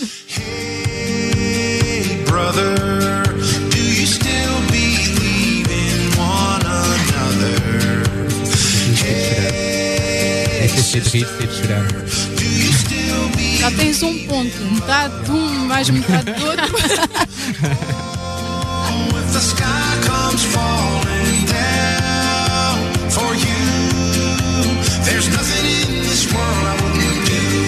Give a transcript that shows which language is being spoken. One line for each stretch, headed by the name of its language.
English: Hey, brother, do you still believe in one another? Hey, sister, do you still believe in one another?
Portuguese: Já tens um ponto, metade de um, mais metade do outro.
English: The sky comes falling down for you. There's nothing in this world I wouldn't do.